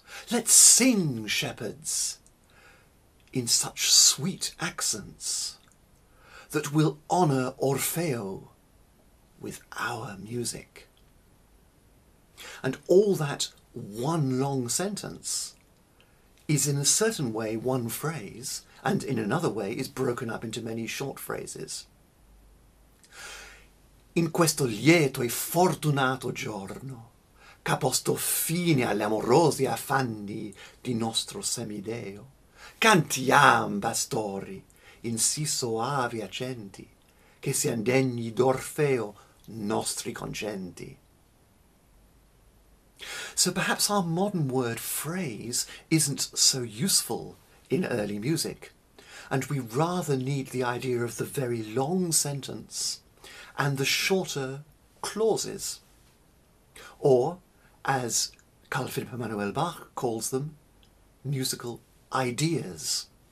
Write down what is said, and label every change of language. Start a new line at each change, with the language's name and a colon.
English: Let's sing, shepherds, in such sweet accents that we'll honour Orfeo with our music. And all that one long sentence is in a certain way one phrase, and in another way is broken up into many short phrases.
Italian: In questo lieto e fortunato giorno, che ha posto fine alle amorose affanni di nostro semideo, cantiam, pastori, in sì soavi accenti, che sian degni d'Orfeo nostri concenti.
English: So perhaps our modern word phrase isn't so useful in early music, and we rather need the idea of the very long sentence and the shorter clauses, or, as Carl Philipp Emanuel Bach calls them, musical ideas.